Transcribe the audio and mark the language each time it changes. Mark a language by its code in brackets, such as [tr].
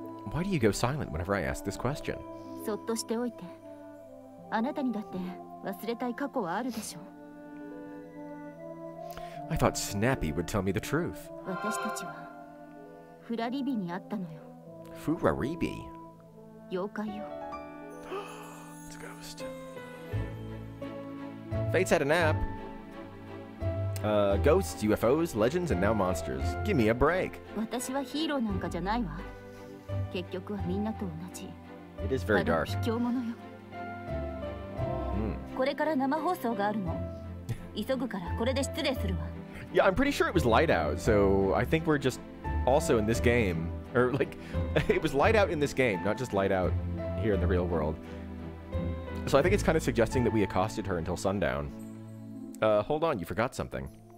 [en] Why do you go silent whenever I ask this question? [ja] そっとしておいて。あなたにだって忘れたい過去はあるでしょう。 [en] I thought Snappy would tell me the truth. [ja] 私たちはフラリビに会ったのよ。フラリビ? 妖怪よ。 [en] It's a ghost. Fate's had a nap. Ghosts, UFOs, legends, and now monsters. Give me a break. [ja] 私はヒーローなんかじゃないわ。結局はみんなと同じ。 [en] It is very dark. [ja] ただ卑怯者よ。これから生放送があるの。急ぐからこれで失礼するわ。 [en] Yeah, I'm pretty sure it was light out, so I think we're just also in this game, or like, it was light out in this game, not just light out here in the real world. So I think it's kind of suggesting that we accosted her until sundown. Hold on, you forgot something.